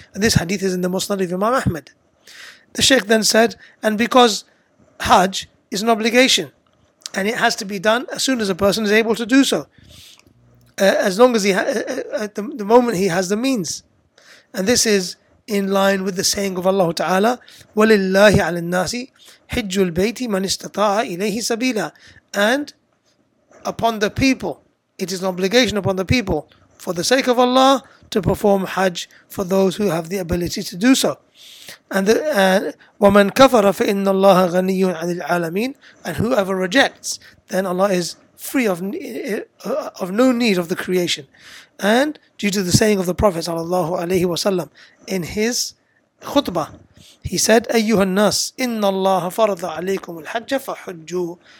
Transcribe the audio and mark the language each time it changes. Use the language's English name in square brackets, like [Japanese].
[English] And this hadith is in the Musnad of Imam Ahmad. The Shaykh then said, and because Hajj is an obligation, and it has to be done as soon as a person is able to do so, as long as he at the moment he has the means. And this is in line with the saying of Allah Ta'ala, [Arabic] وَلِلَّهِ عَلَى النَّاسِ حِجُّ الْبَيْتِ مَنِ اسْتَطَاعَ إِلَيْهِ سَبِيلًا. [English] And upon the people, it is an obligation upon the people, for the sake of Allah, to perform Hajj for those who have the ability to do so. [Arabic] And وَمَنْ كَفَرَ فَإِنَّ اللَّهَ غَنِيٌّ عَنِ الْعَالَمِينَ. [English] And whoever rejects, then Allah is free of no need of the creation. And due to the saying of the Prophet sallallahu alaihi wasallam in his khutbah, he said, [Arabic] أَيُّهَا النَّاسِ إِنَّ اللَّهَ فَرَضَ عَلَيْكُمُ الْحَجَّ فَحُجُّوا.